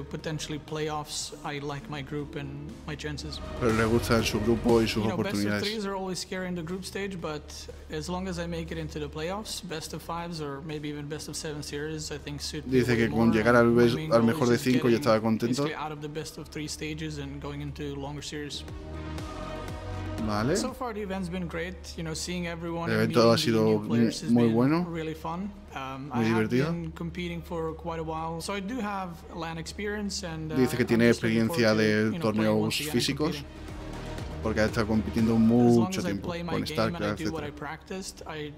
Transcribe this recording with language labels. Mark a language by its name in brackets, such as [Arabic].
[English] Potentially playoffs, I like my group and my chances. [Spanish] Pero le gusta su grupo y sus oportunidades. [English] Best of 3s are always scary in the group stage, but as long as I make it into the playoffs, best of 5s or maybe even best of 7 series, I think suit. [Spanish] Dice que con llegar al mejor de 5 ya estaba contento. [English] Out of the best of 3 stages and going into longer series. [Spanish] Vale. [English] So far the event's been great, you know, seeing everyone. [Spanish] El evento ha sido muy bueno. [English] Really fun. [Spanish] Muy divertido. [English] I've been competing for quite a while, so I do have LAN experience and. [Spanish] Dice que tiene experiencia de torneos físicos, porque ha estado compitiendo mucho tiempo con StarCraft, etc.